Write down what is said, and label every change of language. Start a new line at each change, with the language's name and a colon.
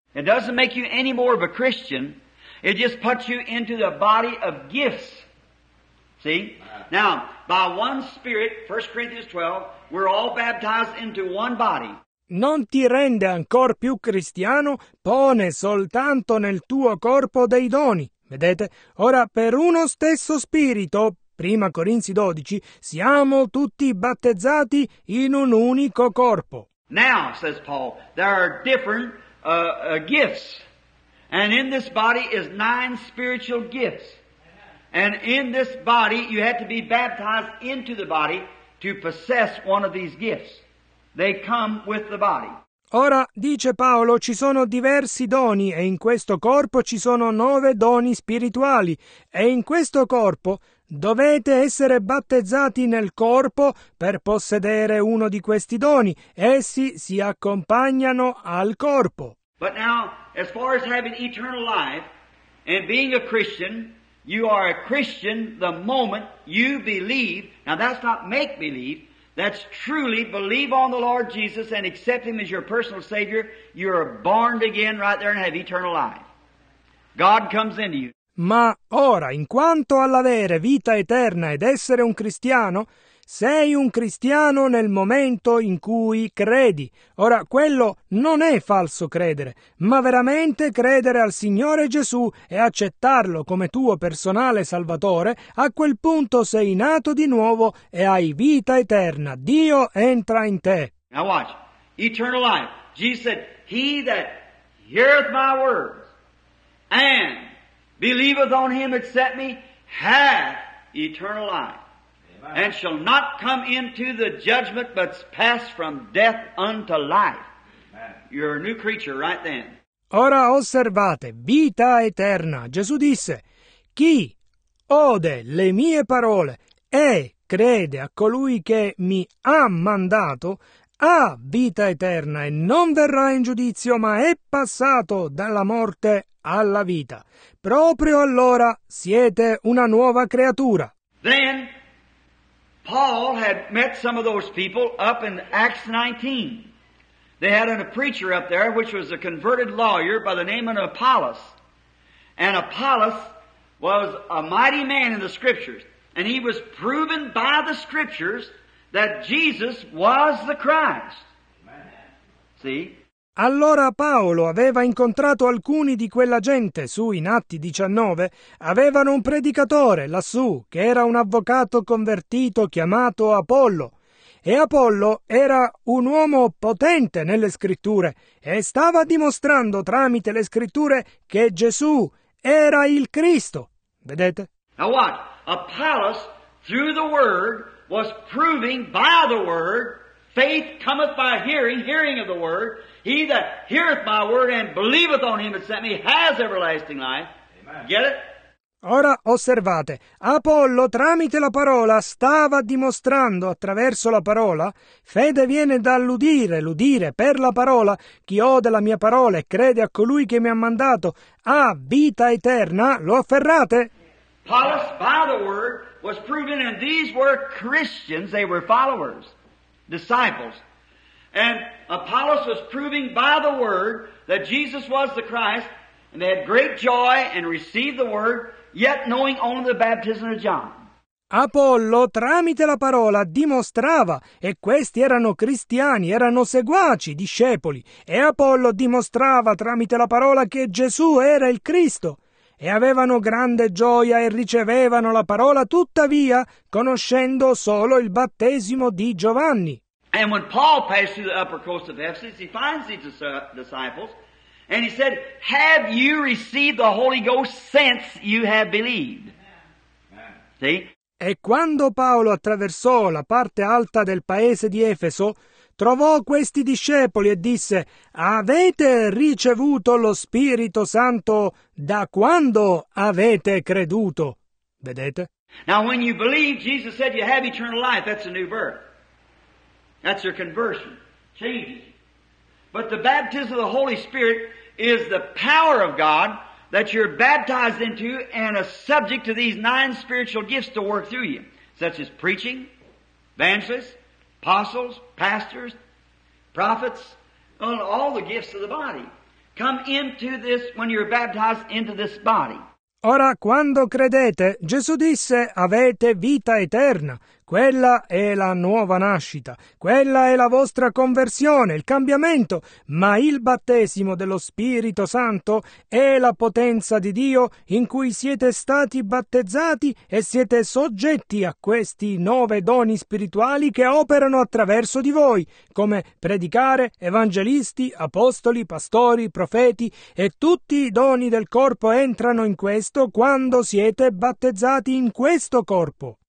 English: It doesn't make you any more of a Christian. It just puts you into the body of gifts. See? Now, by one Spirit, 1 Corinthians 12, we're all baptized into one body.
Italian: Non ti rende ancor più cristiano, pone soltanto nel tuo corpo dei doni. Vedete? Ora, per uno stesso Spirito, 1 Corinzi 12, siamo tutti battezzati in un unico corpo.
English: Now, says Paul, there are different gifts. And in this body is 9 spiritual gifts. And in this body you have to be baptized into the body to possess one of these gifts. They come with the body.
Italian: Ora, dice Paolo, ci sono diversi doni e in questo corpo ci sono 9 doni spirituali. E in questo corpo dovete essere battezzati nel corpo per possedere uno di questi doni. Essi si accompagnano al corpo.
English: But now, as far as having eternal life and being a Christian, you are a Christian the moment you believe. Now, that's not make believe. That's truly believe on the Lord Jesus and accept Him as your personal Savior. You are born again right there and have eternal life. God comes into you.
Italian: Ma ora, in quanto all'avere vita eterna ed essere un cristiano, sei un cristiano nel momento in cui credi. Ora, quello non è falso credere, ma veramente credere al Signore Gesù e accettarlo come tuo personale salvatore, a quel punto sei nato di nuovo e hai vita eterna. Dio entra in te.
English: Now watch. Eternal life. Jesus said, he that heareth my words and believeth on him that sent me hath eternal life. And shall not come into the judgment, but pass from death unto life. You're a new creature right then.
Italian: Ora osservate, vita eterna. Gesù disse, chi ode le mie parole e crede a colui che mi ha mandato, ha vita eterna e non verrà in giudizio, ma è passato dalla morte alla vita. Proprio allora siete una nuova creatura.
English: Then Paul had met some of those people up in Acts 19. They had a preacher up there, which was a converted lawyer by the name of Apollos. And Apollos was a mighty man in the Scriptures. And he was proven by the Scriptures that Jesus was the Christ. Amen. See?
Italian: Allora Paolo aveva incontrato alcuni di quella gente su in Atti 19, avevano un predicatore lassù che era un avvocato convertito chiamato Apollo. E Apollo era un uomo potente nelle scritture e stava dimostrando tramite le scritture che Gesù era il Cristo. Vedete?
English: Now what? Apollos, through the word, was proving by the word, faith cometh by hearing, hearing of the word. He that heareth my word and believeth on him that sent me has everlasting life. Amen. Get it?
Italian: Ora osservate, Apollo tramite la parola stava dimostrando attraverso la parola, fede viene dall'udire, l'udire per la parola, chi ode la mia parola e crede a colui che mi ha mandato ha vita eterna, lo afferrate?
English: Paulus, by the word, was proven, and these were Christians, they were followers, disciples. And Apollos was proving by the word that Jesus was the Christ, and they had great joy and received the word, yet knowing only the baptism of John.
Italian: Apollo, tramite la parola, dimostrava, e questi erano cristiani, erano seguaci, discepoli, e Apollo dimostrava tramite la parola che Gesù era il Cristo. E avevano grande gioia e ricevevano la parola, tuttavia, conoscendo solo il battesimo di Giovanni.
English: And when Paul passed through the upper coast of Ephesus, he finds these disciples, and he said, have you received the Holy Ghost since you have believed? See?
Italian: E quando Paolo attraversò la parte alta del paese di Efeso, trovò questi discepoli e disse, avete ricevuto lo Spirito Santo da quando avete creduto? Vedete?
English: Now when you believe, Jesus said you have eternal life, that's a new birth. That's your conversion. Changes. But the baptism of the Holy Spirit is the power of God that you're baptized into and a subject to these nine spiritual gifts to work through you, such as preaching, evangelists, apostles, pastors, prophets, all the gifts of the body. Come into this when you're baptized into this body.
Italian: Ora, quando credete, Gesù disse, avete vita eterna. Quella è la nuova nascita. Quella è la vostra conversione, il cambiamento. Ma il battesimo dello Spirito Santo è la potenza di Dio in cui siete stati battezzati e siete soggetti a questi nove doni spirituali che operano attraverso di voi, come predicare, evangelisti, apostoli, pastori, profeti, e tutti i doni del corpo entrano in questo quando siete battezzati in questo corpo.